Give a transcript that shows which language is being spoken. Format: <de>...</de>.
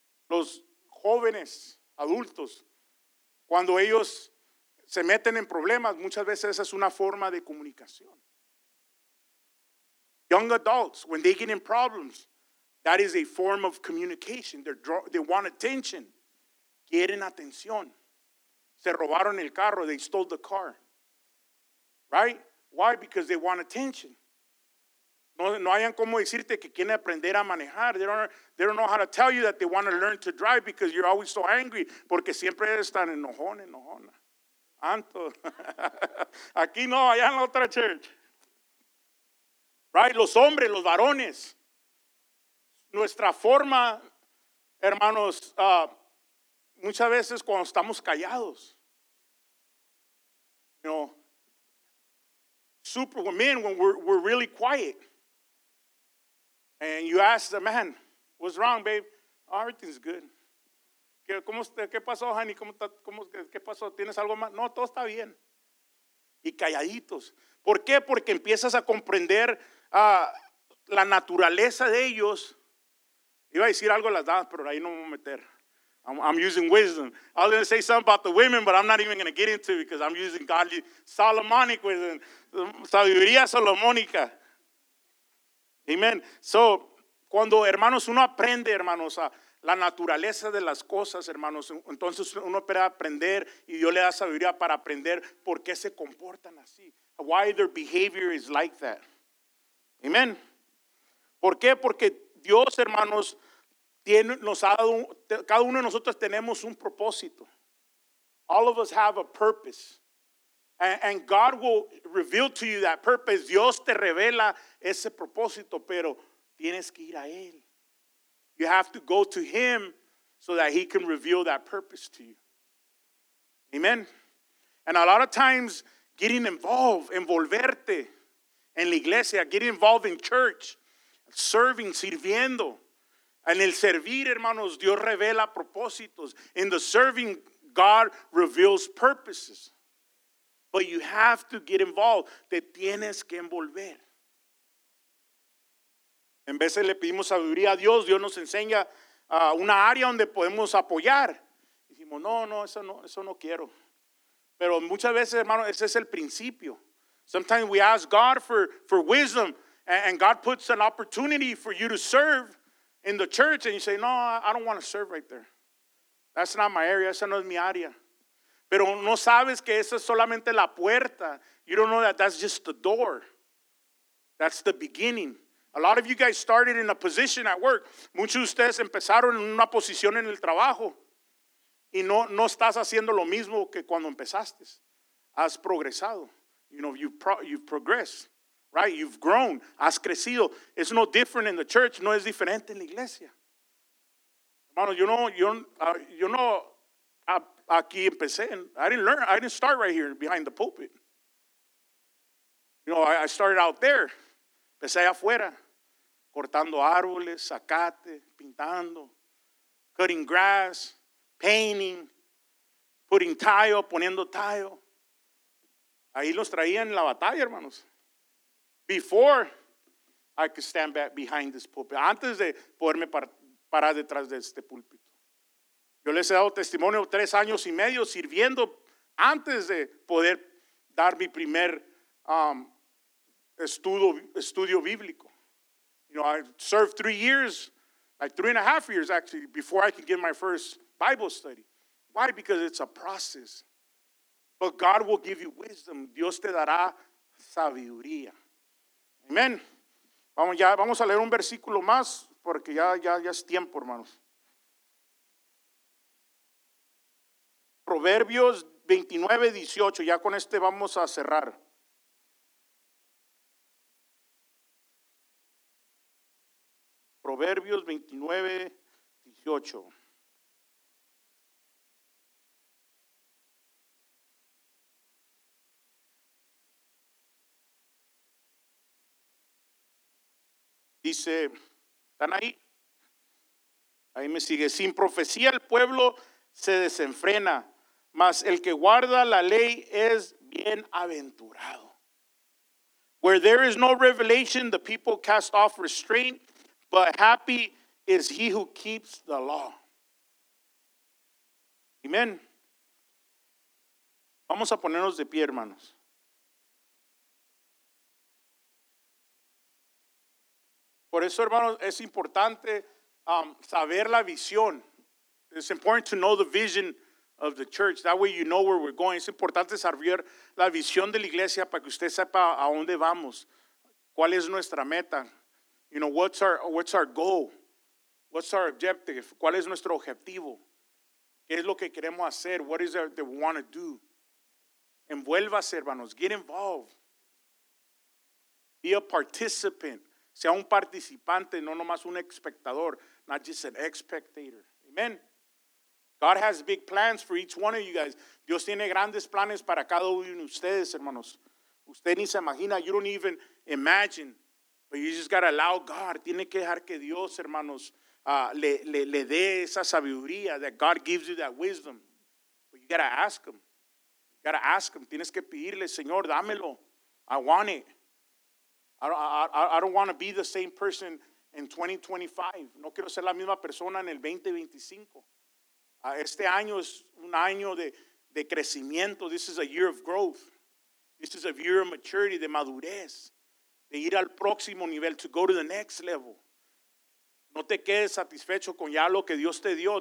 <es>Los jóvenes, adultos, cuando ellos se meten en problemas, muchas veces esa es una forma de comunicación.</es> <en>Young adults, when they get in problems, that is a form of communication. They want attention.</en> <es>Quieren atención. Se robaron el carro.</es> <en>They stole the car. Right? Why? Because they want attention.</en> <es>No hayan como decirte que quieren aprender a manejar.</es> <en>They don't know how to tell you that they want to learn to drive because you're always so angry.</en> <es>Porque siempre están enojona. Anto. Aquí no, allá en la otra church.</es> <en>Right?</en> <es>Los hombres, los varones. Nuestra forma, hermanos, muchas veces cuando estamos callados.</es> <en>You know, superwoman, when we're really quiet. And you ask the man, what's wrong, babe? Oh, everything's good.</en> <es>¿Qué pasó,</es> <en>honey?</en> <es>¿Qué pasó? ¿Tienes algo más? No, todo está bien. Y calladitos. ¿Por qué? Porque empiezas a comprender la naturaleza de ellos. Iba a decir algo a las damas, pero ahí no me voy a meter.</es> <en>I'm using wisdom. I was going to say something about the women, but I'm not even going to get into it because I'm using godly, Solomonic wisdom.</en> <es>Sabiduría Solomónica. Amen. So, cuando, hermanos, uno aprende, hermanos, a la naturaleza de las cosas, hermanos, entonces uno puede aprender y Dios le da sabiduría para aprender por qué se comportan así.</es> <en>Why their behavior is like that. Amen.</en> <es>¿Por qué? Porque Dios, hermanos, cada uno de nosotros tenemos un propósito.</es> <en>All of us have a purpose. And God will reveal to you that purpose.</en> <es>Dios te revela ese propósito, pero tienes que ir a Él.</es> <en>You have to go to Him so that He can reveal that purpose to you. Amen. And a lot of times, getting involved,</en> <es>envolverte en la iglesia,</es> <en>getting involved in church, serving,</en> <es>sirviendo. En el servir, hermanos, Dios revela propósitos.</es> <en>In the serving, God reveals purposes. But you have to get involved.</en> <es>Te tienes que envolver. En veces le pedimos sabiduría a Dios. Dios nos enseña una área donde podemos apoyar. Y decimos, no, eso no quiero. Pero muchas veces, hermanos, ese es el principio.</es> <en>Sometimes we ask God for wisdom. And God puts an opportunity for you to serve in the church, and you say, no, I don't want to serve right there. That's not my area.</en> <es>Esa no es mi área. Pero no sabes que esa es solamente la puerta.</es> <en>You don't know that that's just the door. That's the beginning. A lot of you guys started in a position at work.</en> <es>Muchos de ustedes empezaron en una posición en el trabajo. Y no estás haciendo lo mismo que cuando empezaste. Has progresado.</es> <en>You know, you've progressed. Right, you've grown,</en> <es>has crecido.</es> <en>It's no different in the church,</en> <es>no es diferente en la iglesia. Hermano, aquí empecé.</es> <en>I didn't start right here behind the pulpit. You know, I started out there.</en> <es>Empecé allá afuera, cortando árboles, zacate, pintando,</es> <en>cutting grass, painting, putting tile,</en> <es>poniendo tile. Ahí los traían en la batalla, hermanos.</es> <en>Before I could stand back behind this pulpit.</en> <es>Antes de poderme parar detrás de este púlpito. Yo les he dado testimonio 3 años y medio sirviendo antes de poder dar mi primer estudio bíblico.</es> <en>You know, I served 3 years, like 3.5 years actually, before I could get my first Bible study. Why? Because it's a process. But God will give you wisdom.</en> <es>Dios te dará sabiduría. Amen. Vamos, ya, vamos a leer un versículo más porque ya es tiempo, hermanos. Proverbios 29:18. Ya con este vamos a cerrar. Proverbios 29:18. Dice, ¿están ahí? Ahí me sigue. Sin profecía el pueblo se desenfrena, mas el que guarda la ley es bienaventurado.</es> <en>Where there is no revelation, the people cast off restraint, but happy is he who keeps the law. Amen.</en> <es>Vamos a ponernos de pie, hermanos. Por eso, hermanos, es importante saber la visión.</es> <en>It's important to know the vision of the church. That way you know where we're going.</en> <es>Es importante saber la visión de la iglesia para que usted sepa a dónde vamos. ¿Cuál es nuestra meta?</es> <en>You know, what's our goal? What's our objective?</en> <es>¿Cuál es nuestro objetivo? ¿Qué es lo que queremos hacer?</es> <en>What is it that we want to do?</en> <es>Envuélvase, hermanos.</es> <en>Get involved. Be a participant.</en> <es>Sea un participante, no nomás un espectador.</es> <en>Not just an spectator.</en> <es>Amen.</es> <en>God has big plans for each one of you guys.</en> <es>Dios tiene grandes planes para cada uno de ustedes, hermanos. Usted ni se imagina.</es> <en>You don't even imagine. But you just gotta allow God.</en> <es>Tiene que dejar que Dios, hermanos, le dé esa sabiduría.</es> <en>That God gives you that wisdom. But you gotta ask him. You gotta ask him.</en> <es>Tienes que pedirle, Señor, dámelo.</es> <en>I want it. I don't want to be the same person in 2025.</en> <es>No quiero ser la misma persona en el 2025. Este año es un año de crecimiento.</es> <en>This is a year of growth. This is a year of maturity,</en> <es>de madurez. De ir al próximo nivel,</es> <en>to go to the next level.</en> <es>No te quedes satisfecho con ya lo que Dios te dio.</es>